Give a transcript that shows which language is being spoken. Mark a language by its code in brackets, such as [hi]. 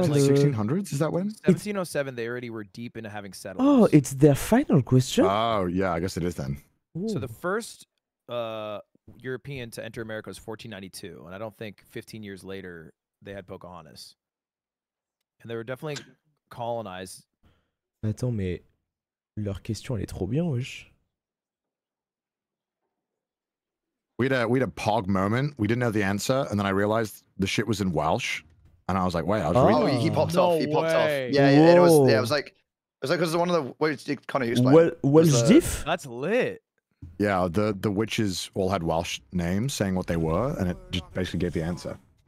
[en] 1600s? Is that when? 1707, it's... they already were deep into having settlers. Oh, it's their final question? Oh, yeah, I guess it is then. Ooh. So the first European to enter America was 1492, and I don't think 15 years later they had Pocahontas. And they were definitely colonized. [fr] Attends, mais leur question, elle est trop bien, wesh. [en] We had a pog moment. We didn't know the answer, and then I realized the shit was in Welsh. And I was like, wait, I was oh, reading. Oh, he popped no off. He popped way off. Yeah, yeah. Whoa. It was like, because one of the. What did you kind of use? Welsh diff? That's lit. Yeah, the witches all had Welsh names saying what they were, and it just basically gave the answer.